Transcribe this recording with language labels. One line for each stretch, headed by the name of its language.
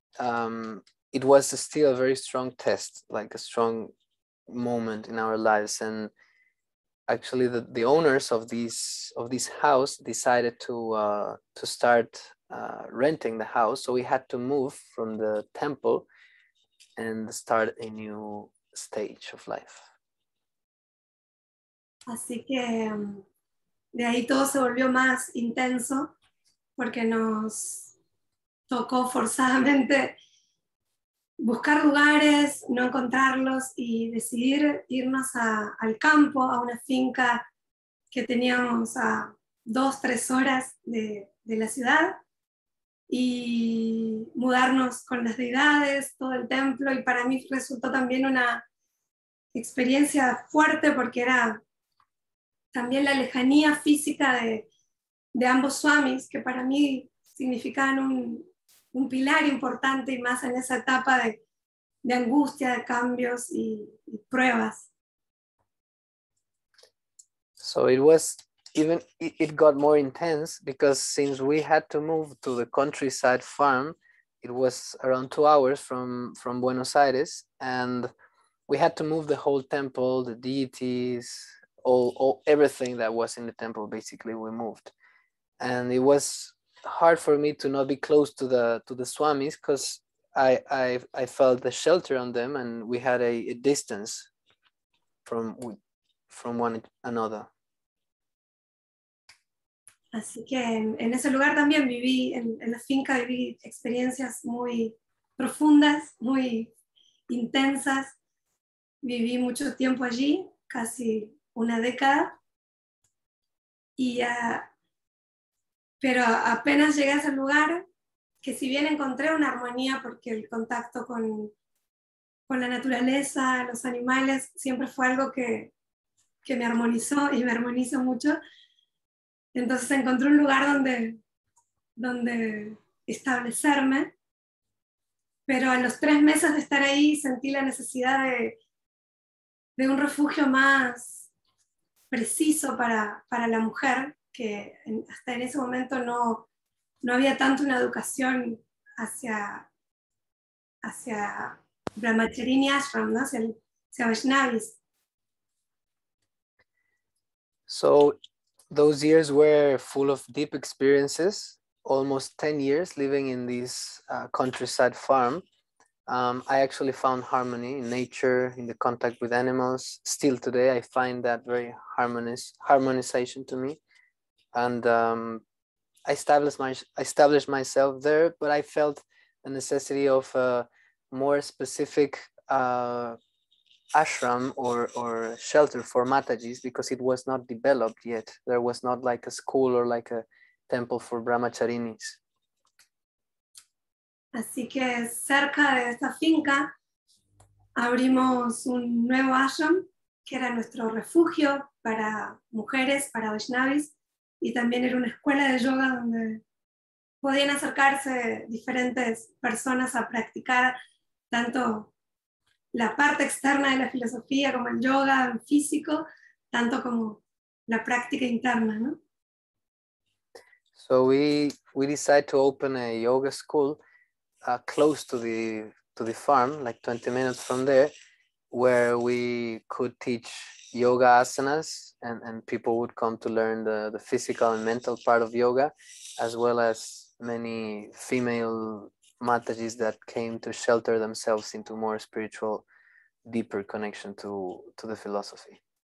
English: It was still a very strong test, like a strong moment in our lives. And actually the owners of this house decided to start renting the house, so we had to move from the temple and start a new stage of life.
Spanish: Así que de ahí todo se volvió más intenso porque nos tocó forzadamente buscar lugares, no encontrarlos y decidir irnos al campo, a una finca que teníamos a 2-3 horas de la ciudad y mudarnos con las deidades, todo el templo, y para mí resultó también una experiencia fuerte porque era también la lejanía física de ambos swamis, que para mí significaban un pilar importante y más en esa etapa de angustia, de cambios y pruebas.
English: So it was even, it got more intense because since we had to move to the countryside farm, it was around 2 hours from Buenos Aires, and we had to move the whole temple, the deities, all everything that was in the temple, basically we moved. And it was hard for me to not be close to the swamis because I felt the shelter on them, and we had a distance from one another.
Spanish: Así que en ese lugar también viví, en la finca viví experiencias muy profundas, muy intensas. Viví mucho tiempo allí, casi una década. Pero apenas llegué a ese lugar, que si bien encontré una armonía porque el contacto con la naturaleza, los animales, siempre fue algo que me armonizó y me armonizó mucho. Entonces encontré un lugar donde establecerme, pero a los 3 meses de estar ahí sentí la necesidad de un refugio más preciso para la mujer, que hasta en ese momento no había tanto una educación hacia Brahmacharini Ashram, ¿no? hacia Vaishnavis.
English: So those years were full of deep experiences, almost 10 years living in this countryside farm. I actually found harmony in nature, in the contact with animals. Still today, I find that very harmonization to me. And I established myself there, but I felt the necessity of a more specific ashram or shelter for Matajis, because it was not developed yet. There was not like a school or like a temple for Brahmacharinis.
Spanish: Así que cerca de esta finca abrimos un nuevo ashram, que era nuestro refugio para mujeres, para Vaishnavis, y también era una escuela de yoga donde podían acercarse diferentes personas a practicar tanto la parte externa de la filosofía como el yoga físico, tanto como la práctica interna, ¿no?
English: So we decided to open a yoga school close to the farm, like 20 minutes from there, where we could teach yoga asanas, and people would come to learn the physical and mental part of yoga, as well as many female matajis that came to shelter themselves into more spiritual, deeper connection to the philosophy.